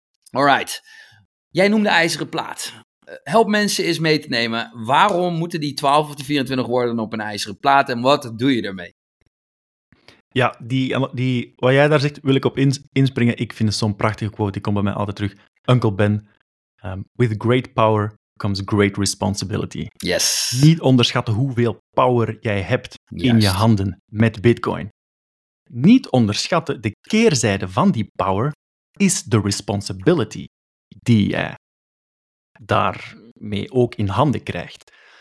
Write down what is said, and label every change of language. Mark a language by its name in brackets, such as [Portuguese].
[Dutch] Alright, jij noemde ijzeren plaat. Help mensen eens mee te nemen, waarom moeten die 12 of die 24 woorden op een ijzeren plaat en wat doe je ermee? Ja, die, wat jij daar zegt, wil ik op inspringen. Ik vind het zo'n prachtige quote, die komt bij mij altijd terug. [English] Uncle Ben, with great power comes great responsibility. Yes. [Dutch] Niet onderschatten hoeveel power jij hebt in je handen met Bitcoin. Niet onderschatten, de keerzijde van die power is de responsibility die jij daarmee ook in handen krijgt.